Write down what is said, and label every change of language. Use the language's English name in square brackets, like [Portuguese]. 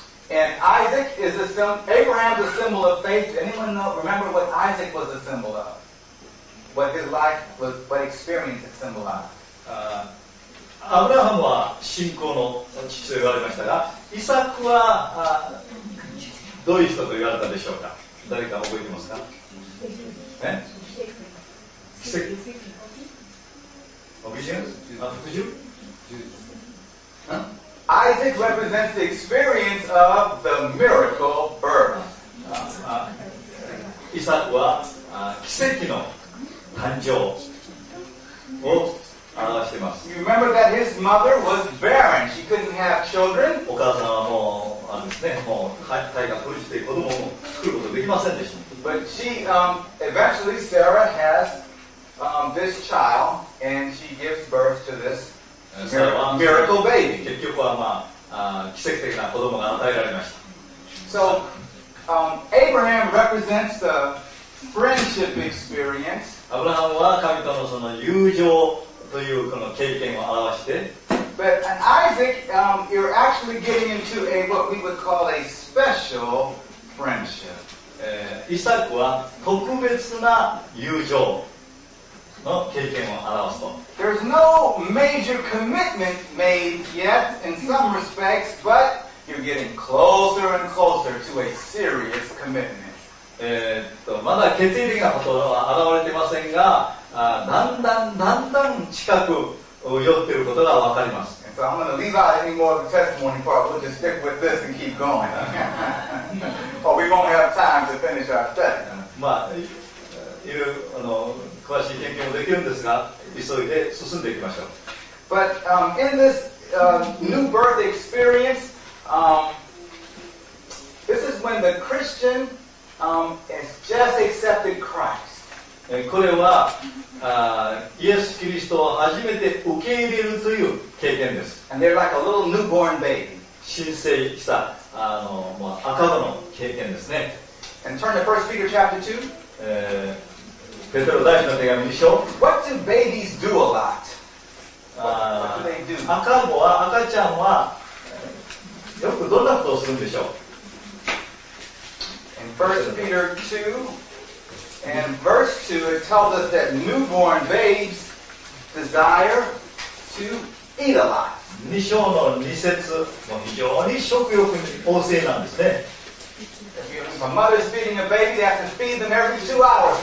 [English] And Isaac is a symbol. Abraham's a symbol of faith. Anyone know, remember what Isaac was a symbol of? What his life was, what experience it symbolized? [Japanese] Abraham は信仰の父と言われましたが、イサクはどういう人と言われたでしょうか。誰か覚えてますか。え？奇跡。オビジェンス？あ、復讐？ [English] Isaac represents the experience of the miracle birth. [Japanese] イサクは奇跡の誕生を表しています。 [English] You remember that his mother was barren. She couldn't have children. [Japanese] お母さんはもうあれですね、もう体が苦しくて子供を作ることができませんでした。 [English] But she, eventually Sarah has this child and she gives birth to this miracle baby. [Japanese] 結局は、まあ、奇跡的な子供が与えられました。 [English] So, Abraham represents the friendship experience. [Japanese] アブラハムは神と の, その友情というこの経験を表して。 [English] But Isaac, you're actually getting into a what we would call a special friendship. [Japanese] イサクは特別な友情の経験を表すと。 [English] There's no major commitment made yet in some respects, but you're getting closer and closer to a serious commitment. [Japanese] まだ決定的なことは現れていませんが、だんだんだんだん近く寄っていることがわかります。 [English] And so I'm going to leave out any more of the testimony part. We'll just stick with this and keep going. Or we won't have time to finish our study. [Japanese] まあ、いう、あの、詳しい研究もできるんですが、急いで進んでいきましょう。 [English] But, in this, new birth experience, this is when the Christian, has just accepted Christ. [Japanese] これは、イエス・キリストを初めて受け入れるという経験です。 [English] And they're like a little newborn baby. [Japanese] 新生した、あの、まあ、赤子の経験ですね。 [English] And turn to 1 Peter chapter 2. [Japanese] ペテロ大使の手紙でしょ。 [English] What do babies do a lot? What do they do? [Japanese] 赤ちゃんはよくどんなことをするんでしょう。 [English] In 1 Peter 2 and verse 2 it tells us that newborn babes desire to eat a lot. [Japanese] 2章の2節も非常に食欲旺盛なんですね。 [English] If a mother is feeding a baby, they have to feed them every 2 hours.